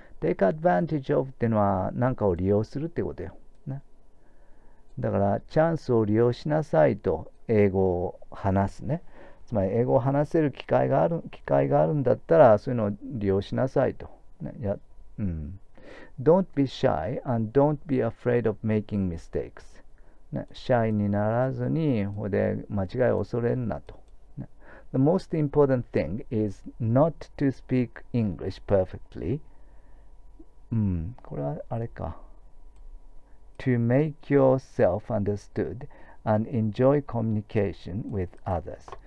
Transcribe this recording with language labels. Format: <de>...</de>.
<en>take advantage of</en> <ja>っていうのは何かを利用するってことよ、ね。だから、チャンスを利用しなさいと、英語を話すね。つまり、英語を話せる機会があるんだったら、そういうのを利用しなさいと。ね、や、うん。</ja> <en>Don't be shy and don't be afraid of making mistakes。</en> <ja>ね、シャイにならずに、ほで間違いを恐れんなと、ね。</ja> <en>The most important thing is not to speak English perfectly。</en> <ja>これはあれか。</ja> <en>To make yourself understood and enjoy communication with others。</en>